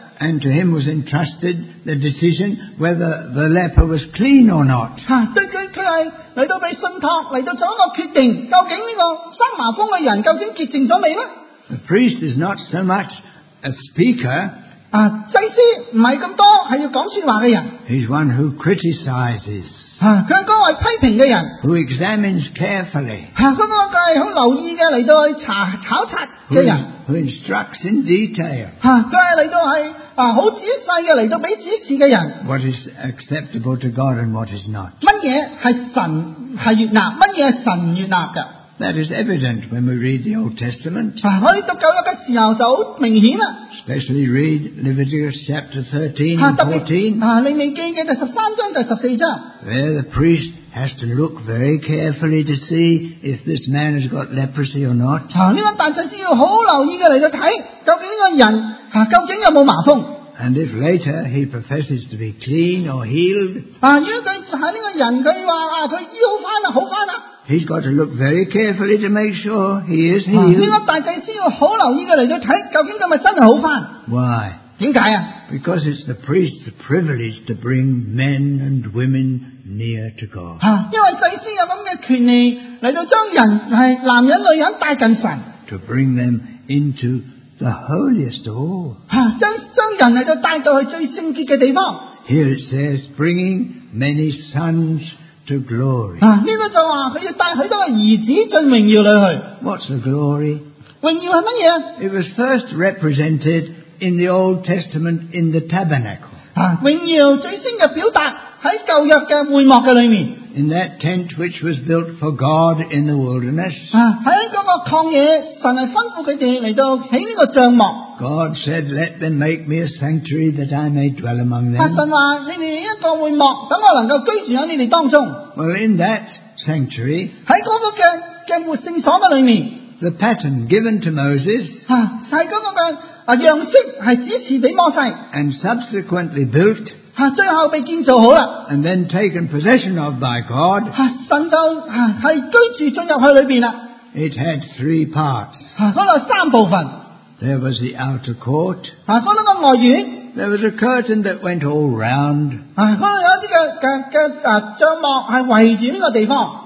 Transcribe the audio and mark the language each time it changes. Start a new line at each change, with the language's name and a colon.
English: And to him was entrusted the decision whether the leper was clean or not.
Chinese: 对他是来到被信托，来到做一个决定，究竟这个生麻风的人究竟洁净了没呢？
English: The priest is not so much a speaker.
Chinese: 祭司不是那么多是要讲说话的人。
English: He's one who criticizes.
Chinese: 他是那位批评的人。
English: Who examines carefully.
Chinese: 那个是很留意的，来到去查考察的人。
English: Who instructs in detail.
Chinese: 他是来到是很仔细的来到给指示的人。
English: What is acceptable to God and what is not.
Chinese: 什么是神是悦纳，什么是神悦纳的。
English: That is evident when we read the Old Testament.
Chinese: 我们读旧约的时候就很明显了。
English: Especially read Leviticus chapter 13 and 14.
Chinese: 利未记的第13章第14章。
English: There the priest has to look very carefully to see if this man has got leprosy or not.
Chinese: 这个大祭司要很留意的来看，究竟这个人究竟有没有麻风。
English: And if later he professes to be clean or healed,
Chinese: 如果这个人他说他医好翻了，好翻了。
English: He's got to look very carefully to make sure he is healed.
Chinese: 这个大祭司要很留意的来看，究竟是不是真的好翻。
English: Why?
Chinese: 为什么？
English: Because it's the priest's privilege to bring men and women near to God.
Chinese: 因为祭司有这样的权利来到将人是男人女人带近神。
English: To bring them into the holiest of all.
Chinese: 将人来到带到去最圣洁的地方。
English: Here it says, bringing many sons to glory.
Chinese: 这个就说他要带很多儿子进荣耀里去。
English: What's the glory?
Chinese: 荣耀是什么？
English: It was first represented in the Old Testament, in the tabernacle.
Chinese: 荣耀最先的表达在旧约的会幕的里面。
English: In that tent which was built for God in the wilderness.
Chinese: 在那个旷野，神是吩咐他们来到起这个帐幕。
English: God said, let them make me a sanctuary that I may dwell among them.
Chinese: 神说，你们一个会幕，让我能够居住在你们当中。
English: Well, in that sanctuary,
Chinese: 在那个的圣所的里面。
English: The pattern given to Moses,
Chinese: 是那个样式是指示给摩西，
English: and subsequently built,
Chinese: 最后被建造好了，
English: and then taken possession of by God,
Chinese: 神就是居住进入去里面了。
English: It had three parts,
Chinese: 那里三部分。
English: There was the outer court,
Chinese: 那个外院。
English: There was a curtain that went all round,
Chinese: 那里有一些帐幕是围着这个地方。